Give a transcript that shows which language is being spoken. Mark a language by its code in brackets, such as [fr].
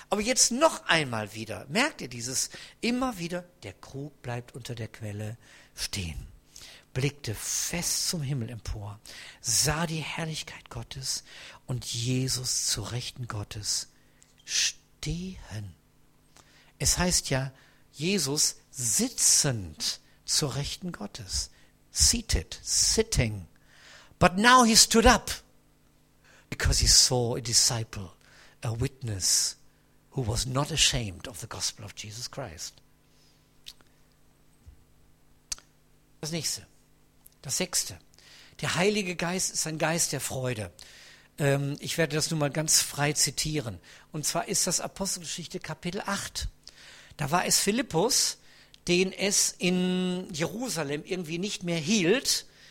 [de] Aber jetzt noch einmal wieder, merkt ihr dieses, immer wieder, der Krug bleibt unter der Quelle stehen, blickte fest zum Himmel empor, sah die Herrlichkeit Gottes und Jesus zu Rechten Gottes stehen. Es heißt ja, Jesus sitzend zu Rechten Gottes, [en] seated, sitting, but now he stood up, because he saw a disciple, a witness, who was not ashamed of the gospel of Jesus Christ. [de] Das nächste, das sechste. Der Heilige Geist ist ein Geist der Freude. Ich werde das nun mal ganz frei zitieren. Und zwar ist das Apostelgeschichte Kapitel 8. Da war es Philippus, den es in Jerusalem irgendwie nicht mehr hielt.